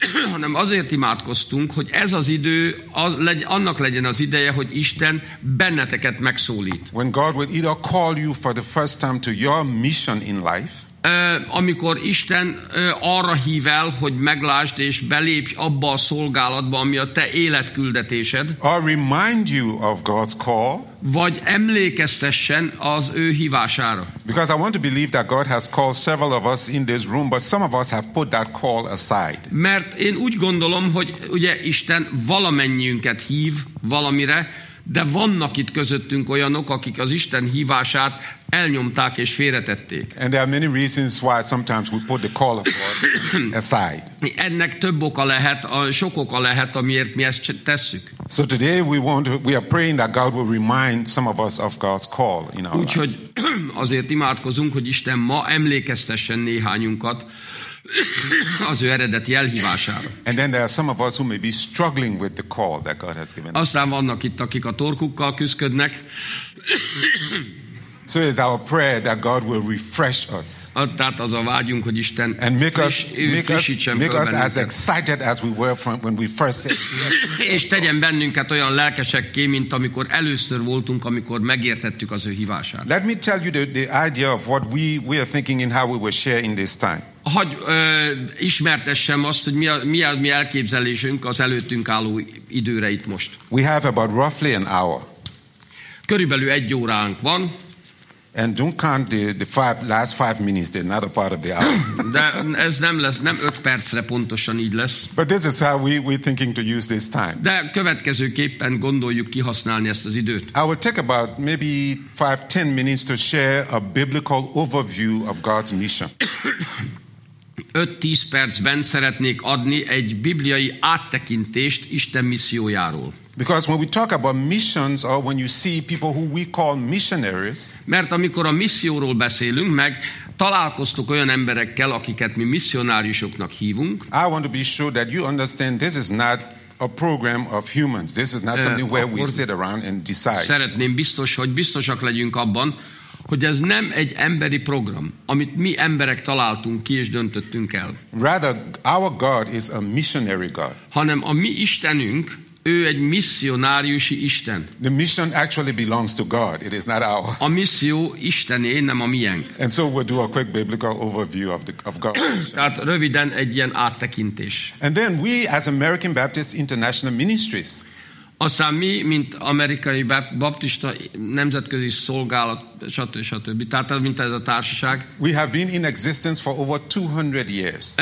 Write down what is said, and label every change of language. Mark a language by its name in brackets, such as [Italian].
[Hungarian] Hanem azért imádkoztunk, hogy ez az idő, annak legyen az ideje, hogy Isten benneteket megszólít. [English] When God will either call you for the first time to your mission in life, [Hungarian] amikor Isten arra hív el, hogy meglásd és belépj abba a szolgálatba, ami a te életküldetésed, [English] or remind you of God's call, [Hungarian] vagy emlékeztessen az ő hívására. [English] Because I want to believe that God has called several of us in this room, but some of us have put that call aside. [Hungarian] Mert én úgy gondolom, hogy ugye Isten valamennyiünket hív valamire, de vannak itt közöttünk olyanok, akik az Isten hívását elnyomták és félretették. [English] And there are many reasons why sometimes we put the call of God aside. [Hungarian] Ennek több oka lehet, sok oka lehet, amiért mi ezt tesszük. [English] So today we are praying that God will remind some of us of God's call in our lives. [Hungarian] Úgyhogy azért imádkozunk, hogy Isten ma emlékeztessen néhányunkat az ő eredeti elhívására. [English] And then there are some of us who may be struggling with the call that God has given. [Hungarian] Aztán vannak itt, akik a torkukkal küzdködnek. [English] So it's our prayer that God will refresh us. [Hungarian] Tehát az a vágyunk, hogy Isten [English] make us as excited as we were when we first said. [Hungarian] És tegyen bennünket olyan lelkesekké, mint amikor először voltunk, amikor megértettük az ő hívását. [English] Let me tell you the idea of what we are thinking and how we will share in this time. [Hungarian] Hogy ismertessem azt, hogy mi elképzelésünk az előttünk álló időre itt most. [English] We have about roughly an hour. [Hungarian] Körülbelül egy óránk van. [English] And don't count the last five minutes, they're not a part of the hour. [Hungarian] De ez nem lesz, nem 5 percre pontosan így lesz. [English] But this is how we're thinking to use this time. [Hungarian] De következőképpen gondoljuk kihasználni ezt az időt. [English] I will take about maybe 5-10 minutes to share a biblical overview of God's mission. [Hungarian] 5-10 percben szeretnék adni egy bibliai áttekintést Isten missziójáról. [English] Because when we talk about missions or when you see people who we call missionaries, [Hungarian] mert amikor a misszióról beszélünk, meg találkoztuk olyan emberekkel, akiket mi missionáriusoknak hívunk. [English] I want to be sure that you understand this is not a program of humans. This is not something where we sit around and decide. [Hungarian] Szeretném biztos, hogy biztosak legyünk abban, hogy ez nem egy emberi program, amit mi emberek találtunk ki és döntöttünk el. [English] Rather, our God is a missionary God. [Hungarian] Hanem a mi Istenünk, ő egy misszionáriusi Isten. [English] The mission actually belongs to God. It is not ours. [Hungarian] A misszió Istené, nem a miénk. [English] And so we'll do a quick biblical overview of God. [Hungarian] Tehát röviden egy ilyen áttekintés. [English] And then we, as American Baptist International Ministries. [Hungarian] Aztán mi, mint amerikai baptista nemzetközi szolgálat, stb. Tehát mint ez a társaság. [English] We have been in existence for over 200 years.